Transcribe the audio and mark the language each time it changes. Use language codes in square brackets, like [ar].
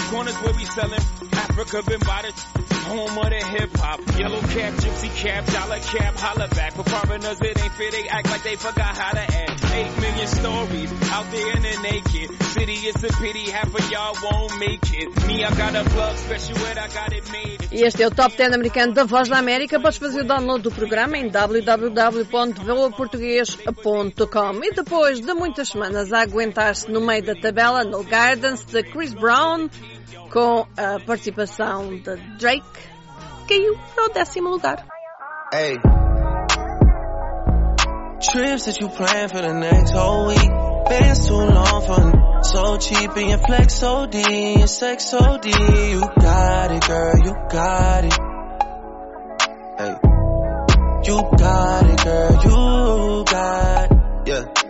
[en] Corners where we selling Africa been by the home of the hip-hop. Yellow cap, gypsy cap, dollar cap, holla back. For foreigners, it ain't fair. They act like they forgot how to act. 8 million stories out there in the naked. City is a pity, half of y'all won't make it. Me, I got a plug special and I got it made. [pt] E este é o Top 10 americano da Voz da América. Podes fazer o download do programa em www.voaportugues.com. E depois de muitas semanas a aguentar-se no meio da tabela, no Gardens, de Chris Brown, com a participação de Drake, caiu para o 10º lugar. [en] Hey. Trips that you plan for the next whole week. Been too long for so cheap and your flex OD, your sex OD. You got it, girl, you got it. Hey. You got it, girl, you got it. Yeah.